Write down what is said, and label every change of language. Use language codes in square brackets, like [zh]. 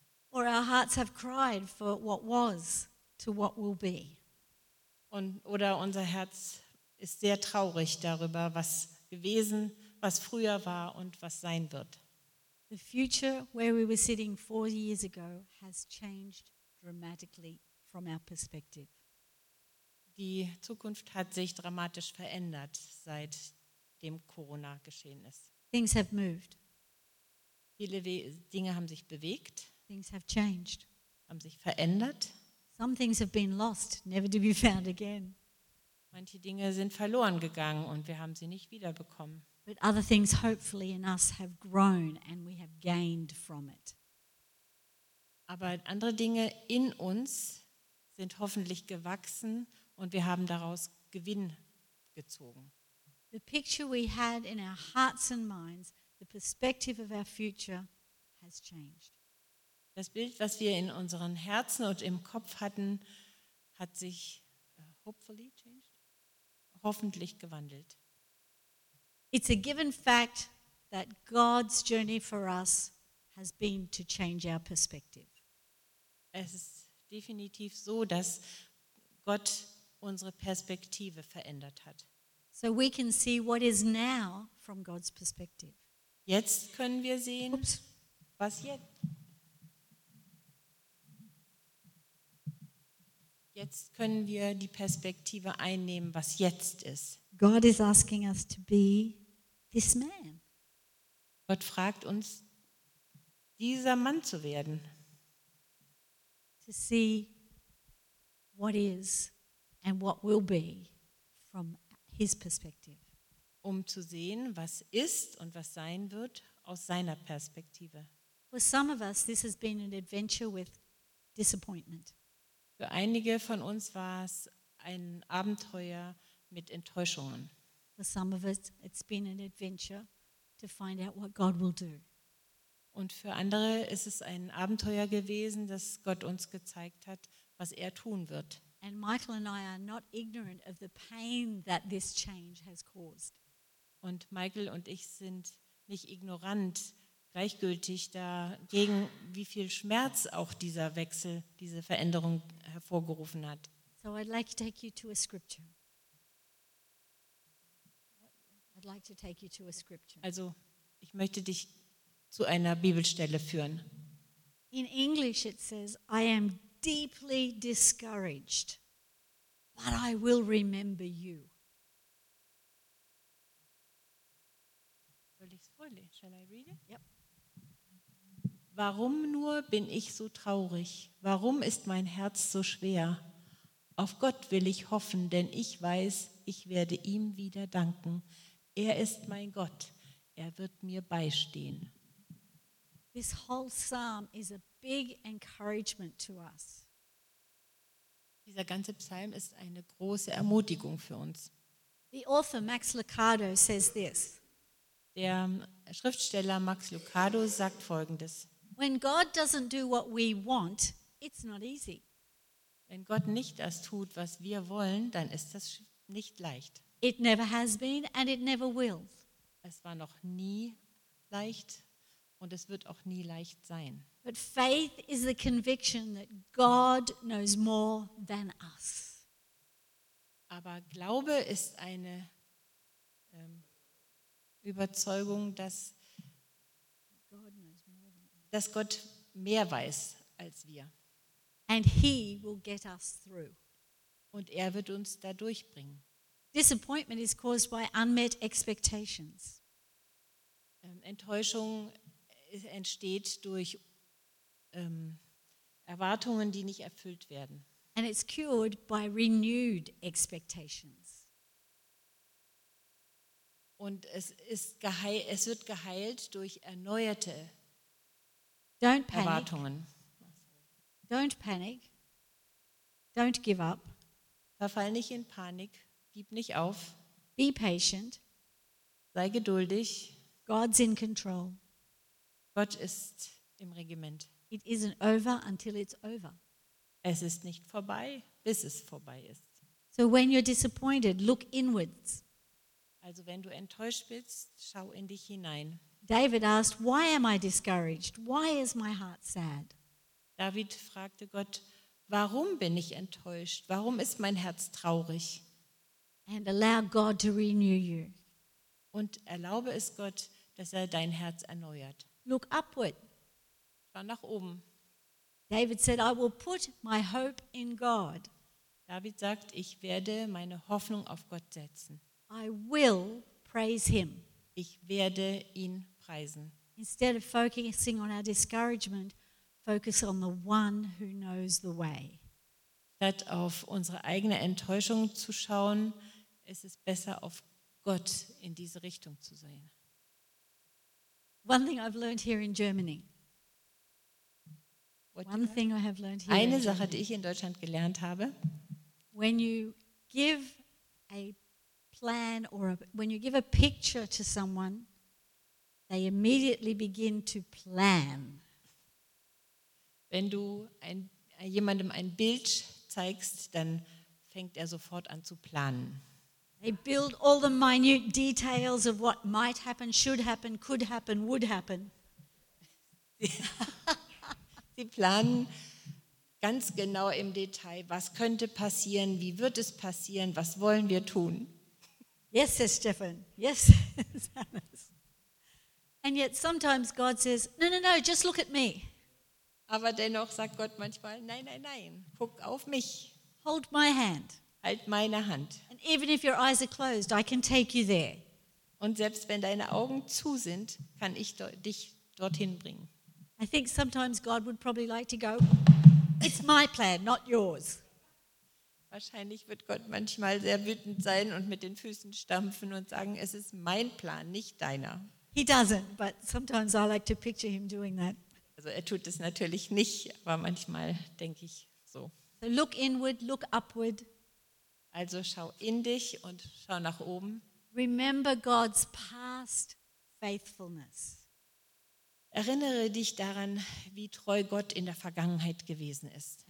[en] Or our hearts have cried for what was to what will be. [de] Und, oder unser Herz ist sehr traurig darüber, was gewesen, was früher war und was sein wird. [en] The future where we were sitting 4 years ago has changed dramatically from our perspective. [de] Die Zukunft hat sich dramatisch verändert, seit dem Corona geschehen ist. [en] Things have moved. [de] Viele Dinge haben sich bewegt. [en] Things have changed. [de] Haben sich verändert. [en] Some things have been lost, never to be found again. [de] Manche Dinge sind verloren gegangen und wir haben sie nicht wiederbekommen. [en] But other things hopefully in us have grown and we have gained from it. [de] Aber andere Dinge in uns sind hoffentlich gewachsen und wir haben daraus Gewinn gezogen. [en] The picture we had in our hearts and minds, the perspective of our future has changed. [de] Das Bild, was wir in unseren Herzen und im Kopf hatten, hat sich [en] hopefully changed, [de] hoffentlich gewandelt. [en] It's a given fact that God's journey for us has been to change our perspective. [de] Es ist definitiv so, dass Gott unsere Perspektive verändert hat. [en] So we can see what is now from God's perspective. [de] Jetzt können wir sehen, oops, was jetzt. Jetzt können wir die Perspektive einnehmen, was jetzt ist. [en] God is asking us to be this man. [de] Gott fragt uns, dieser Mann zu werden. [en] To see what is and what will be from his perspective. [de] Um zu sehen, was ist und was sein wird aus seiner Perspektive. [en] For some of us, this has been an adventure with disappointment. [de] Für einige von uns war es ein Abenteuer mit Enttäuschungen. [en] For some of us, it's been an adventure to find out what God will do. [de] Und für andere ist es ein Abenteuer gewesen, dass Gott uns gezeigt hat, was er tun wird. [en] And Michael and I are not ignorant of the pain that this change has caused. [de] Und Michael und ich sind nicht ignorant, gleichgültig dagegen, wie viel Schmerz auch dieser Wechsel, diese Veränderung hervorgerufen hat. [en] So I'd like to take you to a scripture. I'd like to take you to a scripture. [de] Also, ich möchte dich zu einer Bibelstelle führen. [en] In English it says, I am deeply discouraged, but I will remember you. [de] Soll ich es vorlesen? [en] Shall I read it? Yep. [de] Warum nur bin ich so traurig? Warum ist mein Herz so schwer? Auf Gott will ich hoffen, denn ich weiß, ich werde ihm wieder danken. Er ist mein Gott. Er wird mir beistehen. [en] This whole psalm is a big encouragement to us. [de] Dieser ganze Psalm ist eine große Ermutigung für uns. [en] The author Max Lucado says this. [de] Der Schriftsteller Max Lucado sagt Folgendes. [en] When God doesn't do what we want, it's not easy. [de] Wenn Gott nicht das tut, was wir wollen, dann ist das nicht leicht. [en] It never has been and it never will. [de] Es war noch nie leicht und es wird auch nie leicht sein. [en] But faith is the conviction that God knows more than us. [de] Aber Glaube ist eine Überzeugung, dass Gott mehr weiß als wir. [en] And he will get us through. [de] Und er wird uns da durchbringen. [en] Disappointment is caused by unmet expectations. [de] Enttäuschung entsteht durch Erwartungen, die nicht erfüllt werden. [en] And it's cured by renewed expectations. [de] Und es wird geheilt durch erneuerte Erwartungen. [en] Don't panic. Don't give up. [de] Verfall nicht in Panik. Gib nicht auf. [en] Be patient. [de] Sei geduldig. [en] God's in control. [de] Gott ist im Regiment. [en] It isn't over until it's over. [de] Es ist nicht vorbei, bis es vorbei ist. [en] So when you're disappointed, look inwards. [de] Also wenn du enttäuscht bist, schau in dich hinein. [en] David asked, why am I discouraged? Why is my heart sad? [de] David fragte Gott, warum bin ich enttäuscht? Warum ist mein Herz traurig? [en] And allow God to renew you. [de] Und erlaube es Gott, dass er dein Herz erneuert. [en] Look upward. [de] Schau nach oben. [en] David said, I will put my hope in God. [de] David sagt, ich werde meine Hoffnung auf Gott setzen. [en] I will praise him. [de] Ich werde ihn preisen. [en] Instead of focusing on our discouragement, focus on the one who knows the way. [de] Statt auf unsere eigene Enttäuschung zu schauen, ist es besser, auf Gott in diese Richtung zu sehen. [en] One thing I've learned here in Germany. One thing I have learned here. [de] Eine Sache, die ich in Deutschland gelernt habe. [en] When you give a plan or when you give a picture to someone, they immediately begin to plan. [de] Wenn du jemandem ein Bild zeigst, dann fängt er sofort an zu planen. [en] They build all the minute details of what might happen, should happen, could happen, would happen. [de] Sie planen ganz genau im Detail, was könnte passieren, wie wird es passieren, was wollen wir tun? [en] Yes, says Stefan. Yes, says And yet sometimes God says, no, no, no, just look at me. [de] Aber dennoch sagt Gott manchmal, nein, nein, nein, guck auf mich. [en] Hold my hand. [de] Halt meine Hand. [en] And even if your eyes are closed, I can take you there. [de] Und selbst wenn deine Augen zu sind, kann ich dich dorthin bringen. [en] I think sometimes God would probably like to go, it's my plan, not yours. [de] Wahrscheinlich wird Gott manchmal sehr wütend sein und mit den Füßen stampfen und sagen, es ist mein Plan, nicht deiner. [en] He doesn't, but sometimes I like to picture him doing that. [de] Also er tut es natürlich nicht, aber manchmal denke ich so. [en] So look inward, look upward. [de] Also schau in dich und schau nach oben. [en] Remember God's past faithfulness. [de] Erinnere dich daran, wie treu Gott in der Vergangenheit gewesen ist.